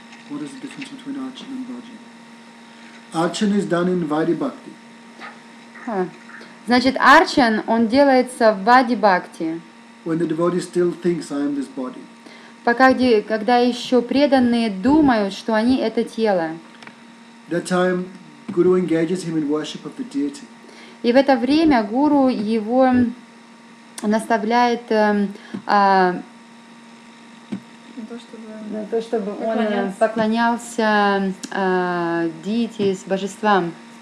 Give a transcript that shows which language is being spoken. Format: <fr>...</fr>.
<en>What is the difference between Archan and Bhajan? Archan is done in Vaidhi Bhakti.</en> <ru>Значит, Archan, он делается в Vaidhi Bhakti.</ru> <en>When the devotee still thinks I am this body.</en> <ru>Пока, когда еще преданные думают, что они это тело.</ru> <en>That time, Guru engages him in worship of the deity.</en> <ru>И в это время гуру его наставляет на то, чтобы он поклонялся deity, с божествам.</ru>